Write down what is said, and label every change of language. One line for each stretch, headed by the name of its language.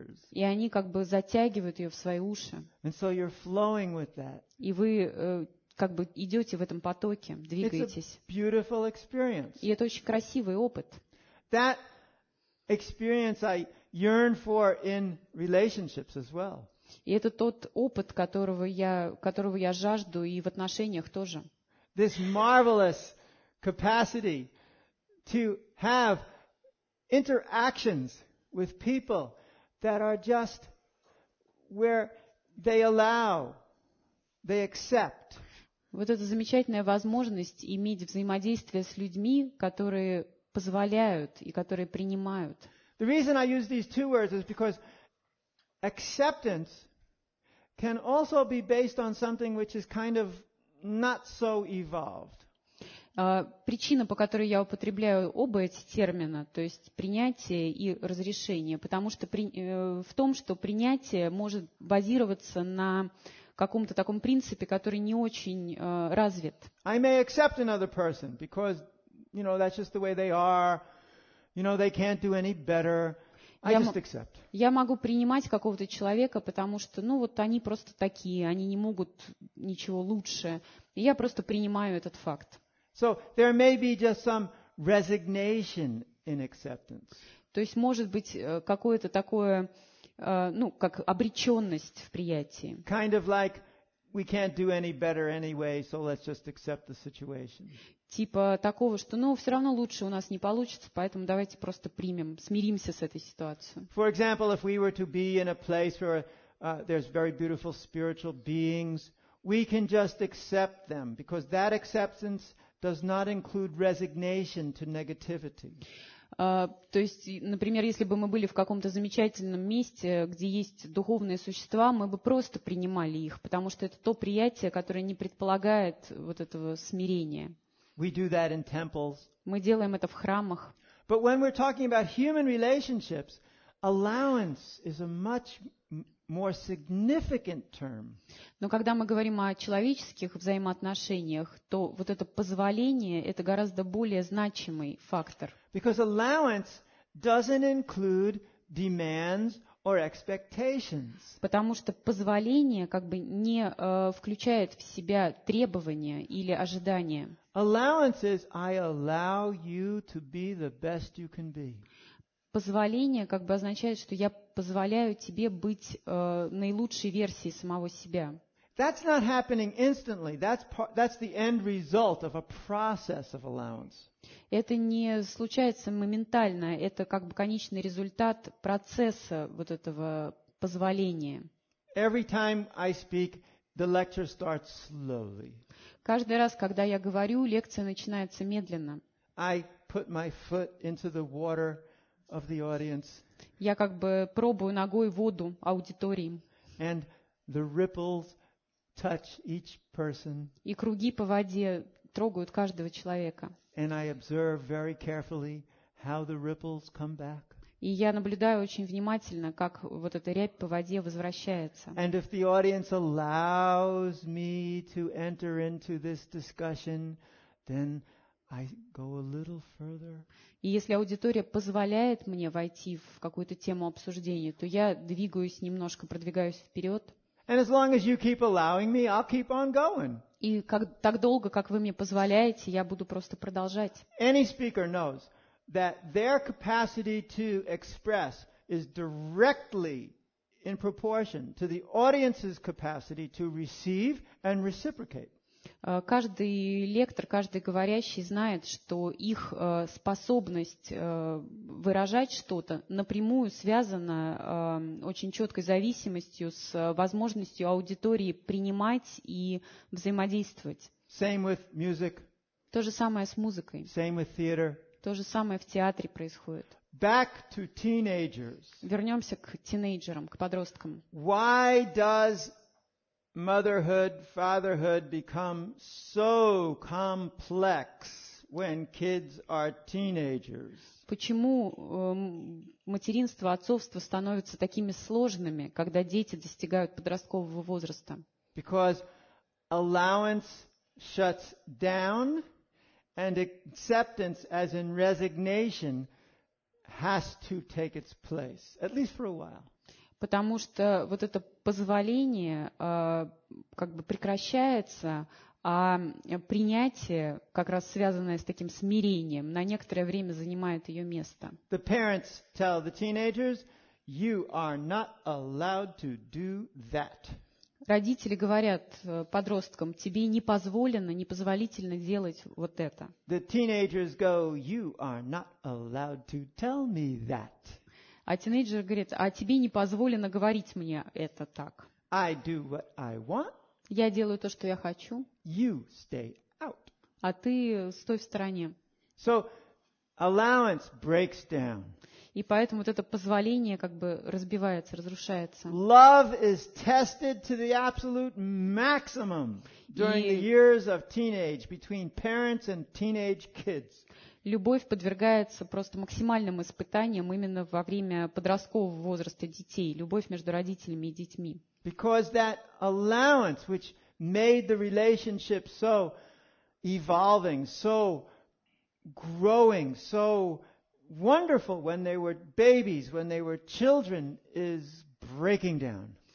Russian: И они как бы затягивают ее в свои уши. So и вы как бы идете в этом потоке, двигаетесь. И это очень красивый опыт.
English: That experience I yearn for in relationships as well.
Russian: И это тот опыт, которого я жажду и в отношениях тоже.
English: This marvelous capacity to have interactions with people that are just where they allow, they accept.
Russian: Вот эта замечательная возможность иметь взаимодействие с людьми, которые позволяют и которые принимают.
English: The reason I use these two words is because acceptance can also be based on something which is kind of not so evolved.
Russian: Причина, по которой я употребляю оба эти термина, то есть принятие и разрешение, потому что в том, что принятие может базироваться на каком-то таком принципе, который не очень развит.
English: I may accept another person because, you know, that's just the way they are. You know, they can't do any better.
Russian: Я могу принимать какого-то человека, потому что, ну, вот они просто такие, они не могут ничего лучше. И я просто принимаю этот факт.
English: So there may be just some resignation in acceptance.
Russian: То есть может быть какое-то такое, ну, как обречённость в принятии.
English: Kind of like we can't do any better anyway, so let's just accept the situation.
Russian: Типа такого, что ну всё равно лучше у нас не получится, поэтому давайте просто примем, смиримся с этой ситуацией.
English: For example, if we were to be in a place where there's very beautiful spiritual beings, we can just accept them because that acceptance does not include resignation to negativity.
Russian: То есть, например, если бы мы были в каком-то замечательном месте, где есть духовные существа, мы бы просто принимали их, потому что это то приятие, которое не предполагает вот этого смирения.
English: We do that in temples.
Russian: Мы делаем это в храмах.
English: But when we're talking about human relationships, allowance is a much more significant term.
Russian: Но когда мы говорим о человеческих взаимоотношениях, то вот это позволение – это гораздо более значимый фактор.
English: Because allowance doesn't include demands or expectations.
Russian: Потому что позволение как бы не включает в себя требования или ожидания.
English: Allowance is I allow you to be the best you can be.
Russian: Позволение как бы означает, что я позволяю тебе быть наилучшей версией самого себя.
English: That's not happening instantly. That's the end result of a process of allowance.
Russian: Это не случается моментально, это как бы конечный результат процесса вот этого позволения.
English: Every time I speak, the lecture starts slowly.
Russian: Каждый раз, когда я говорю, лекция начинается медленно.
English: I put my foot into the water of the audience.
Russian: Я как бы пробую ногой воду аудитории.
English: And the ripples touch each person.
Russian: И круги по воде трогают каждого человека.
English: And I observe very carefully how the ripples come back.
Russian: И я наблюдаю очень внимательно, как вот эта рябь по воде возвращается.
English: And if the audience allows me to enter into this discussion, then I go a little further.
Russian: И если аудитория позволяет мне войти в какую-то тему обсуждения, то я двигаюсь немножко, продвигаюсь вперед.
English: And as long as you keep allowing me, I'll keep on going.
Russian: И как, так долго, как вы мне позволяете, я буду просто продолжать.
English: Any speaker knows that their capacity to express is directly in proportion to the audience's capacity to receive and reciprocate.
Russian: Каждый лектор, каждый говорящий знает, что их способность выражать что-то напрямую связана очень четкой зависимостью с возможностью аудитории принимать и взаимодействовать.
English: Same with music.
Russian: То же самое с музыкой.
English: Same with theater.
Russian: То же самое в театре происходит.
English: Back to teenagers.
Russian: Вернемся к тинейджерам, к подросткам.
English: Why does motherhood, fatherhood become so complex when kids are teenagers?
Russian: Почему материнство, отцовство становятся такими сложными, когда дети достигают подросткового возраста?
English: Because allowance shuts down and acceptance, as in resignation, has to take its place, at least for a while.
Russian: Потому что вот это позволение как бы прекращается, а принятие, как раз связанное с таким смирением, на некоторое время занимает ее место.
English: The parents tell the teenagers, you are not allowed to do that.
Russian: Родители говорят подросткам, тебе не позволено, непозволительно делать вот это.
English: The teenagers go, you are not allowed to tell me that.
Russian: А тинейджер говорит, а тебе не позволено говорить мне это так.
English: I do what I want.
Russian: Я делаю то, что я хочу.
English: You stay out.
Russian: А ты стой в стороне.
English: So, allowance breaks down.
Russian: И поэтому вот это позволение как бы разбивается, разрушается.
English: Love is tested to the absolute maximum during the years of teenage between parents and teenage kids.
Russian: Любовь подвергается просто максимальным испытаниям именно во время подросткового возраста детей, любовь между родителями и детьми.
English: Because that allowance, which made the relationship so evolving, so growing, so wonderful when they were babies, when they were children, is breaking down.